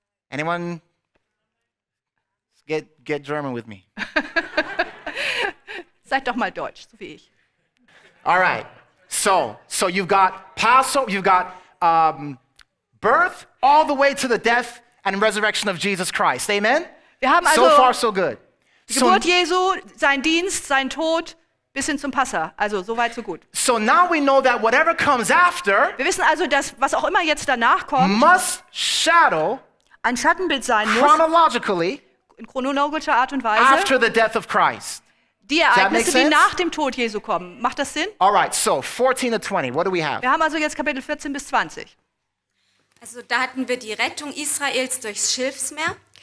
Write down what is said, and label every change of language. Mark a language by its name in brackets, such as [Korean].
[English] Anyone get German with me? [German] Seid doch mal deutsch, so wie ich. [English] All right. So you've got Passover, you've got birth, all the way to the death and resurrection of Jesus Christ. Amen? [German] Wir haben also [English] so far, so good. [German] Geburt Jesu, sein Dienst, sein Tod, bis hin zum Passa. Also, so weit, so gut. [English] So now we know that whatever comes after, [German] wir wissen also, dass was auch immer jetzt danach kommt, [English] must shadow, [German] ein Schattenbild sein muss, [English] chronologically, [German] in chronologischer Art und Weise, [English] after the death of Christ. [German] Die Ereignisse, die nach dem Tod Jesu kommen. Macht das Sinn? [English] All right, so 14 to 20, what do we have? [German] Wir haben also jetzt Kapitel 14 bis 20. Also da hatten wir die Rettung Israels durchs Schilfsmeer.